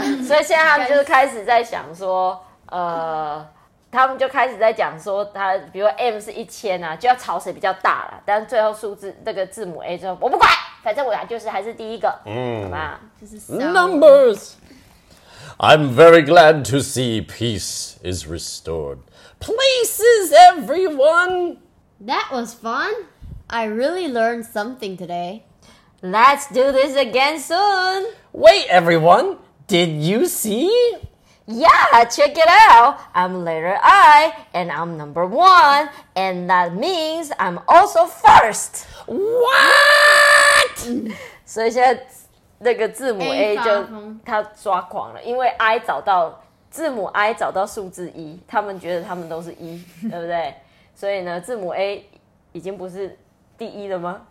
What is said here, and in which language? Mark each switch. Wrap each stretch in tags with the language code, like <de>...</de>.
<zh>所以现在他们就开始在想说，他们就开始在讲说他，比如说 M 是1000啊，就要吵谁比较大了。但是最后数字那个字母 A 之后，我不管。反正我就是还是第一个，</zh> <en>Numbers! I'm very glad to see peace is restored. Places, everyone! That was fun. I really learned something today. Let's do this again soon! Wait, everyone! Did you see? Yeah, check it out! I'm letter I, and I'm number one, and that means I'm also first! What?</en> <zh>所以现在那个字母 A 就他抓狂了，因为 I 找到字母 I 找到数字一，他们觉得他们都是一，对不对？所以呢，字母 A 已经不是第一了吗？</zh>